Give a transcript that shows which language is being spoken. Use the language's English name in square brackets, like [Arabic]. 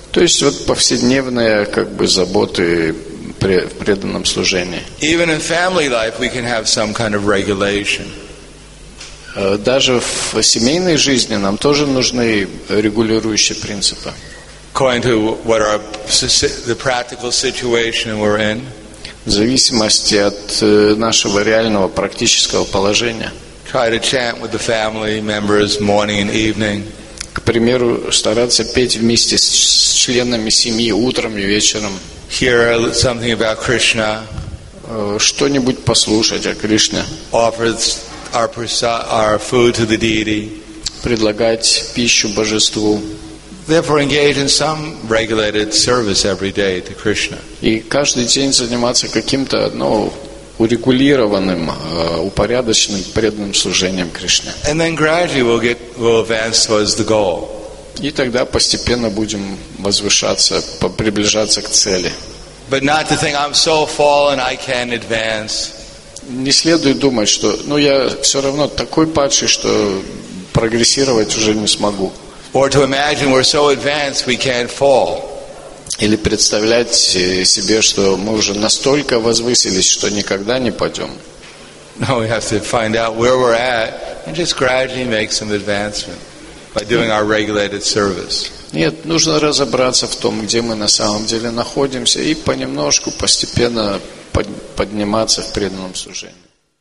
[Russian] То есть вот повседневные как бы заботы в преданном служении. [English] Even in family life we can have some kind of regulation. [Russian] Даже в семейной жизни нам тоже нужны регулирующие принципы. [English] According to what our the practical situation we're in. [Russian] В зависимости от нашего реального практического положения. [English] Try to chant with the family members morning and evening. [Russian] К примеру, стараться петь вместе с членами семьи утром и вечером. [English] Hear something about Krishna. [Russian] Что-нибудь послушать о Кришне. [English] Our food to the deity. [Russian] Предлагать пищу божеству. [English] Therefore, engage in some regulated service every day to Krishna. [Russian] И каждый день заниматься каким-то, ну, урегулированным, упорядоченным преданным служением Кришне. [English] And then gradually we'll advance towards the goal. [Russian] И тогда постепенно будем возвышаться, приближаться к цели. [English] But not to think I'm so fallen I can't advance. [Russian] Не следует думать, что, ну, я все равно такой падший, что прогрессировать уже не смогу. [English] Or to imagine we're so advanced we can't fall. [Russian] Или представлять себе, что мы уже настолько возвысились, что никогда не падем. [English] No, we have to find out where we're at and just gradually make some advancement by doing our regulated service. [Russian] Нет, нужно разобраться в том, где мы на самом деле находимся, и понемножку, постепенно подниматься в преданном служении.